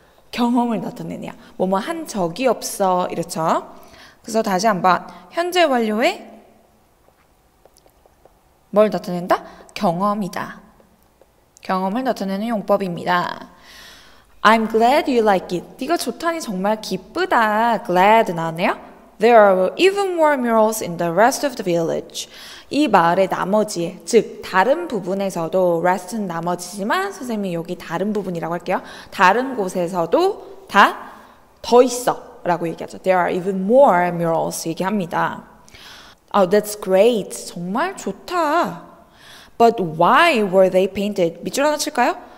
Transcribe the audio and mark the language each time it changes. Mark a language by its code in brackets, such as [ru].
[ko] 경험을 나타내냐. 뭐뭐 한 적이 없어. 이렇죠. 그래서 다시 한번 현재 완료에 뭘 나타낸다? 경험이다. 경험을 나타내는 용법입니다. [en] I'm glad you like it. [ko] 네가 좋다니 정말 기쁘다. Glad 나왔네요. [en] There are even more murals in the rest of the village. [ko] 이 마을의 나머지에, 즉 다른 부분에서도 rest는 나머지지만 선생님이 여기 다른 부분이라고 할게요. 다른 곳에서도 다 더 있어 라고 얘기하죠. [en] There are even more murals [ko] 얘기합니다. [en] Oh, that's great. [ko] 정말 좋다. [en] But why were they painted? [ko] 밑줄 하나 칠까요?